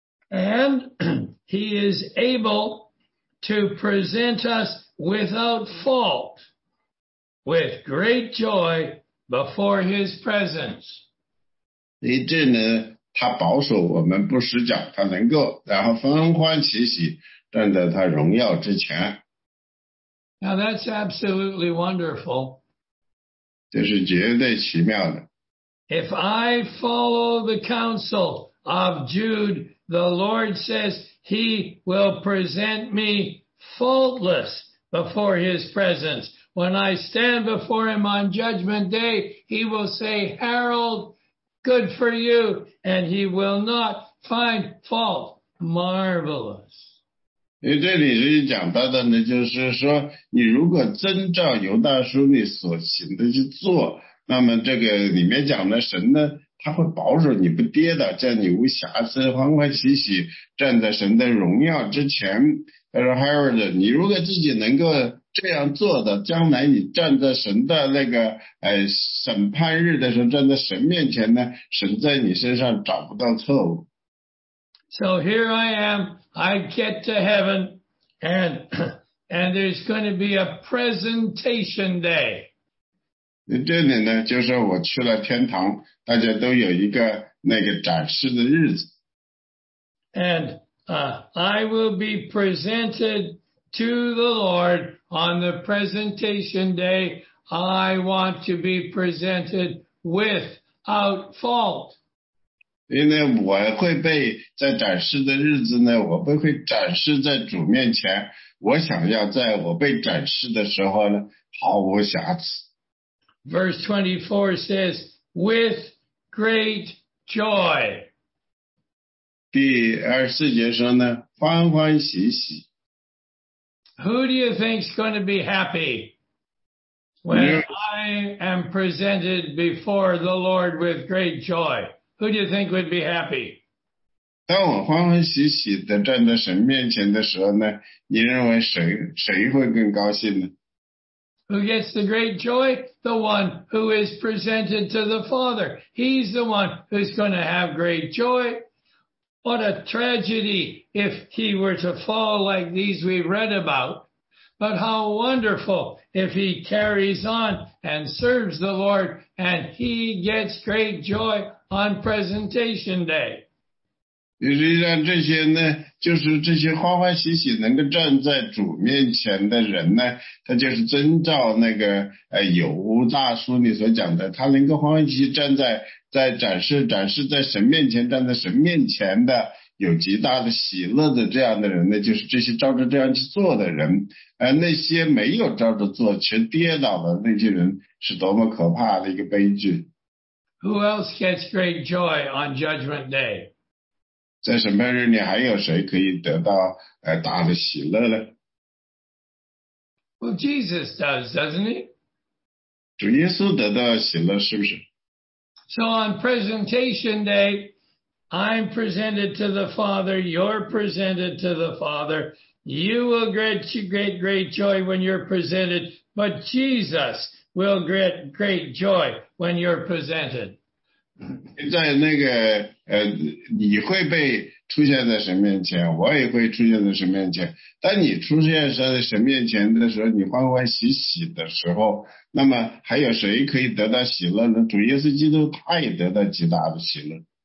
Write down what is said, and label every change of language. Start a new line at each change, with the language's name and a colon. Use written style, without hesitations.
English: And he is able to present us without fault with great joy before his presence.
Chinese: 一直呢他保守我们不失脚他能够然后欢欢喜喜站在他荣耀之前。
English: Now that's absolutely wonderful.
Chinese: 这是绝对奇妙的。
English: If I follow the counsel of Jude, the Lord says he will present me faultless before his presence. When I stand before him on judgment day, he will say, Harold, good for you, and he will not find fault. Marvelous.
Chinese: 因为这里是讲到的呢，就是说，你如果遵照犹大书你所行的去做，那么这个里面讲的神呢，他会保守你不跌倒，叫你无瑕疵，欢欢喜喜站在神的荣耀之前。他说 ，Harold， 你如果自己能够这样做的，将来你站在神的那个审判日的时候，站在神面前呢，神在你身上找不到错误。
English: So here I am, I get to heaven, and there's going to be a presentation day.
Chinese: 这里呢，就是我去了天堂，大家都有一个那个展示的日子。
English: And I will be presented to the Lord on the presentation day. I want to be presented without fault.
Chinese: 因为我会被在展示的日子呢，我不会展示在主面前。我想要在我被展示的时候呢，毫无瑕疵。
English: Verse 24 says, with great joy.
Chinese: 第二十四节说呢，欢欢喜喜。
English: Who do you think is going to be happy when I am presented before the Lord with great joy? Who do you think would be happy?
Chinese: 当我欢欢喜喜地站在神面前的时候呢，你认为谁会更高兴呢？
English: Who gets the great joy? The one who is presented to the Father. He's the one who's going to have great joy. What a tragedy if he were to fall like these we've read about. But how wonderful if he carries on and serves the Lord and he gets great joy on presentation day.
Chinese: 实际上这些呢，就是这些欢欢喜喜能够站在主面前的人呢，他就是遵照那个犹大书里所讲的，他能够欢欢喜喜站在展示在神面前，站在神面前的有极大的喜乐的这样的人呢，就是这些照着这样去做的人。那些没有照着做却跌倒的那些人，是多么可怕的一个悲剧。
English: Who else gets great joy on judgment day?
Chinese: 在审判日里还有谁可以得到大的喜乐呢？
English: Well, Jesus does, doesn't he?
Chinese: 主耶稣得到喜乐是不是？
English: So on presentation day, I'm presented to the Father, you're presented to the Father. You will get great, great joy when you're presented, but Jesus will get great joy when you're presented.
Chinese: 在那个你会被出现在神面前，我也会出现在神面前。当你出现在神面前的时候，你欢欢喜喜的时候，那么还有谁可以得到喜乐呢？主耶稣基督他也得到极大的喜乐。